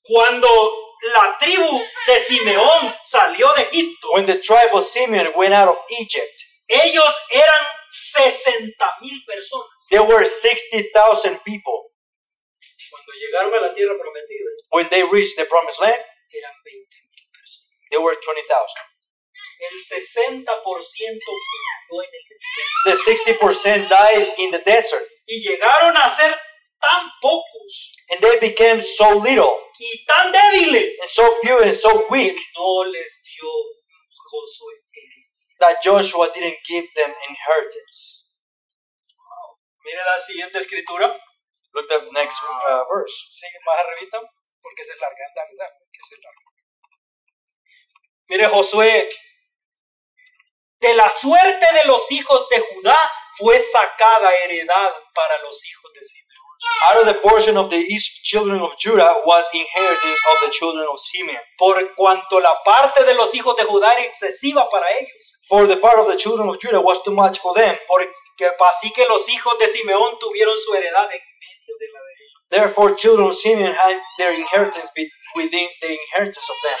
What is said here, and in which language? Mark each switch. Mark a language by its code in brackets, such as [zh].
[es] Cuando la tribu de Simeón salió de Egipto. [en] When the tribe of Simeón went out of Egypt. [es] Ellos eran 60,000 personas. [en] There were 60,000 people. [es] Cuando llegaron a la tierra prometida. [en] When they reached the promised land. [es] Eran 20,000 personas. [en] There were 20,000. [es] El 60% murió en el desierto. [en] The 60% died in the desert. [es] Y llegaron a ser tan pocos. [en] And they became so little. [es] Y tan débiles. [en] And so few and so weak. [es] No les dio Josué herencia. [en] That Joshua didn't give them inheritance. [es] Wow. Mira la siguiente escritura. [en] Look at the next verse. [es] Sigue más arribita. Porque se larga, anda. Mire Josué, de la suerte de los hijos de Judá fue sacada heredad para los hijos de Simeón. [en] Out of the portion of the children of Judah was inheritance of the children of Simeón. [es] Por cuanto la parte de los hijos de Judá era excesiva para ellos. [en] For the part of the children of Judah was too much for them. [es] Porque así que los hijos de Simeón tuvieron su heredad en medio de la de ellos. [en] Therefore, children of Simeón had their inheritance between within the inheritance of them.